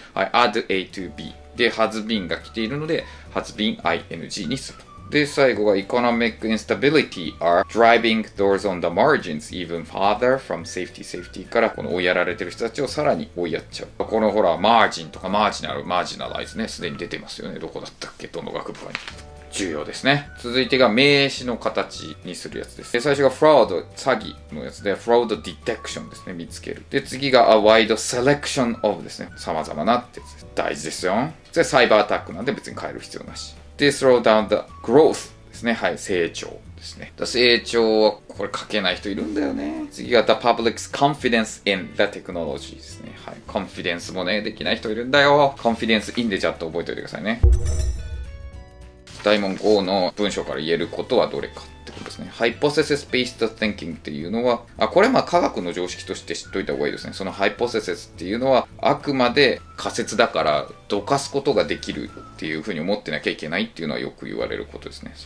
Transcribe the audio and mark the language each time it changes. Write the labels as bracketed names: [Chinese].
[Japanese] はい、 [English] add A to B [Japanese] で [English] has been [Japanese] が来ているので has been ing にする。で最後が [English] economic instability are driving those on the margins even farther from safety [Japanese] safety からこの追いやられてる人たちをさらに追いやっちゃう。このほらマージンとかマージナル、マージナライズね、すでに出てますよね。どこだったっけ、どの学部かに。重要ですね。続いてが名詞の形にするやつです。で最初がフラード、詐欺のやつで、フラードディテクションですね、見つける。で、次が [English] a wide selection of [Japanese] ですね、様々なってやつです。大事ですよ。で、サイバーアタックなんで別に変える必要なし。で、 [English] slow down the growth [Japanese] ですね、はい、成長ですね。で成長はこれ書けない人いるんだよね。次が [English] the public's confidence in the technology [Japanese] ですね。はい、コンフィデンスもね、できない人いるんだよ。コンフィデンスインでちょっと覚えておいてくださいね。大門5の文章から言えることはどれかってことですね。 [English] Hypothesis based thinking [Japanese] っていうのは、あ、これはまあ科学の常識として知っといた方がいいですね。その Hypothesis っていうのはあくまで仮説だからどかすことができるっていうふうに思ってなきゃいけないっていうのはよく言われることですね。